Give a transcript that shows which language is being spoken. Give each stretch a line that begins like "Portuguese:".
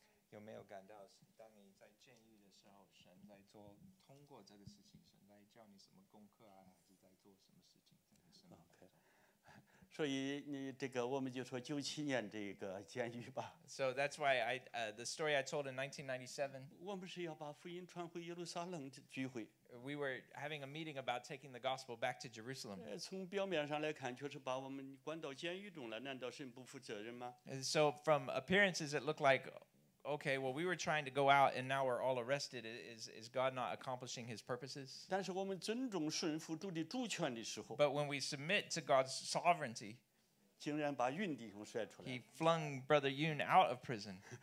Chinese: 有没有感到，当你在监狱的时候，神在做通过这个事情，神在教你什么功课啊，还是在做什么事情？这个、
English: okay.
Chinese: 所以你这个，我们就说九七年这个监狱吧。
English: So that's why I the story I told in 1997.
Chinese: 我们是要把福音传回耶路撒冷聚会。
English: We were having a meeting about taking the gospel back to Jerusalem.
Chinese: 从表面上来看，确实把我们关到监狱中了。难道神不负责任吗
English: ？And so from appearances, it looked like. Okay, well, we were trying to go out, and now we're all arrested. Is God not accomplishing His purposes? But when we submit to God's sovereignty, He flung Brother Yun out of prison.